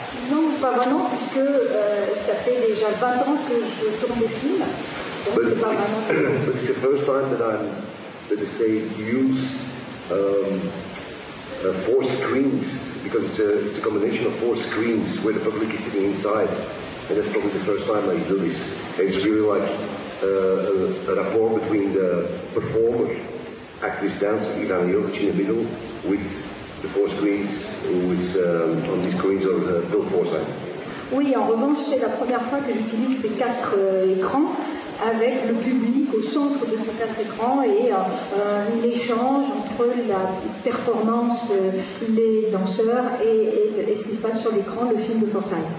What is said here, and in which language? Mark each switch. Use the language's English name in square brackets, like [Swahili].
[French] Non, pas vraiment, puisque ça fait déjà 20 ans que je tourne des films. [English] But it's the first time that I'm, let me say, use four screens, because it's a combination of four screens where the public is sitting inside. And that's probably the first time I do this. It's really like a rapport between the performer, actress, dancer, Ivan Jovic in the middle, with the four screens, with on these screens of Bill Forsyth. [French] Oui, en revanche, c'est la première fois que j'utilise ces quatre écrans, avec le public au centre de ces quatre écrans et un échange entre la performance, les danseurs et ce qui se passe sur l'écran, le film de Forsyth.